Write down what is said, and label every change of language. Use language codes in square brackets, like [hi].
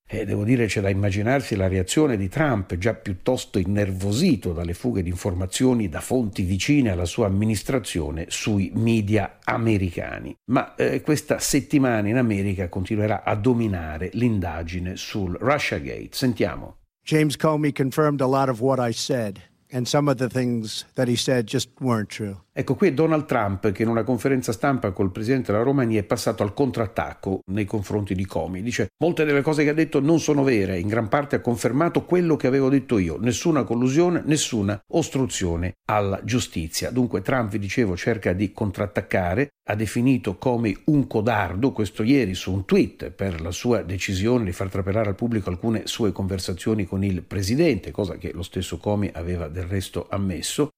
[it] E devo dire, c'è da immaginarsi la reazione di Trump, già piuttosto innervosito dalle fughe di informazioni da fonti vicine alla sua amministrazione sui media americani. Ma questa settimana in America continuerà a dominare l'indagine sul Russiagate. Sentiamo. [en] James Comey confirmed a lot of what I said. And some of the things that he said just weren't true. [it] Ecco, qui è Donald Trump che in una conferenza stampa col presidente della Romania è passato al contrattacco nei confronti di Comey. Dice: molte delle cose che ha detto non sono vere, in gran parte ha confermato quello che avevo detto io. Nessuna collusione, nessuna ostruzione alla giustizia. Dunque Trump, vi dicevo, cerca di contrattaccare, ha definito Comey un codardo, questo ieri su un tweet, per la sua decisione di far trapelare al pubblico alcune sue conversazioni con il presidente, cosa che lo stesso Comey aveva del resto ammesso.